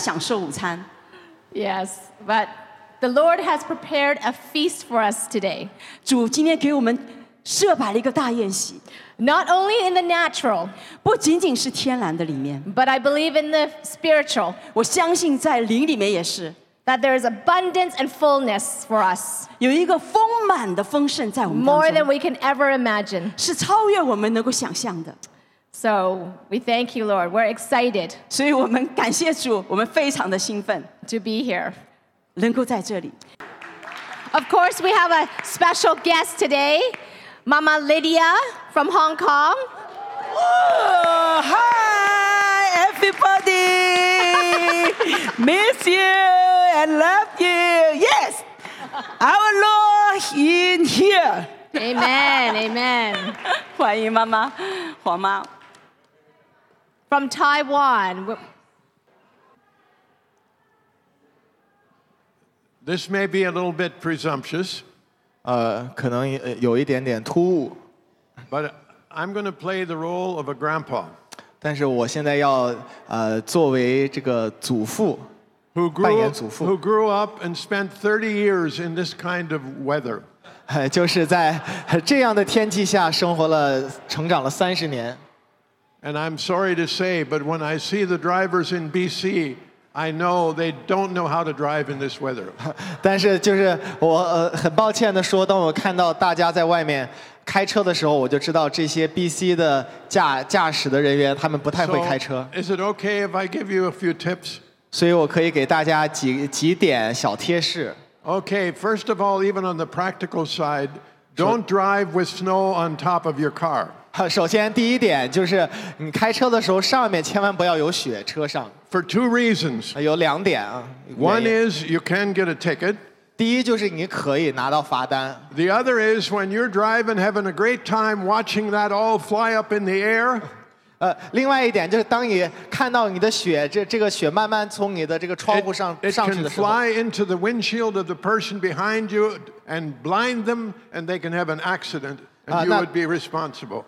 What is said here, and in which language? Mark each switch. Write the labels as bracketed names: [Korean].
[Chinese] 如果路况好了，你们可以聚会以后，人就到我们这儿，我们一起来享受午餐。 [English] Yes, but the Lord has prepared a feast for us today. [Chinese] 主今天给我们设摆了一个大宴席。 [English] Not only in the natural, [Chinese] 不仅仅是天然的里面, [English] but I believe in the spiritual. [Chinese] 我相信在灵里面也是, [English] that there is abundance and fullness for us. [Chinese] 有一个丰满的丰盛在我们当中, [English] more than we can ever imagine. [Chinese] 是超越我们能够想象的。 [English] So we thank you, Lord. We're excited. [Chinese] 所以我们感谢主，我们非常的兴奋。 [English] To be here. [Chinese] 能够在这里。 [English] Of course, we have a special guest today. Mama Lydia from Hong Kong. Oh, hi, everybody. Miss you and love you. Yes, our Lord in here. Amen, amen. [Chinese] 欢迎妈妈，黄妈。 [English] From Taiwan. This may be a little bit presumptuous. [Chinese] 可能有一点点突兀 [English] But I'm going to play the role of a grandpa. [Chinese] 但是我现在要作为这个祖父 扮演祖父 [English] who grew up and spent 30 years in this kind of weather. [Chinese] 就是在这样的天气下生活了成长了30年 [English] And I'm sorry to say, but when I see the drivers in BC,I know they don't know how to drive in this weather. [Chinese] 但是就是我很抱歉地说，当我看到大家在外面开车的时候，我就知道这些 BC 的驾驶的人员他们不太会开车。 [English] Is it okay if I give you a few tips? [Chinese] 所以我可以给大家几点小贴士。 [English] Okay, first of all, even on the practical side, don't drive with snow on top of your car. [Chinese] 首先第一点就是你开车的时候上面千万不要有雪，车上。 [English] For two reasons. [Chinese] 有两点啊。 [English] One is you can get a ticket. [Chinese] 第一就是你可以拿到罚单。 [English] The other is when you're driving, having a great time watching that all fly up in the air. [Chinese] 另外一点就是当你看到你的雪，这个雪慢慢从你的这个窗户上上去的时候。 [English] It can fly into the windshield of the person behind you and blind them, and they can have an accident, and you would be responsible.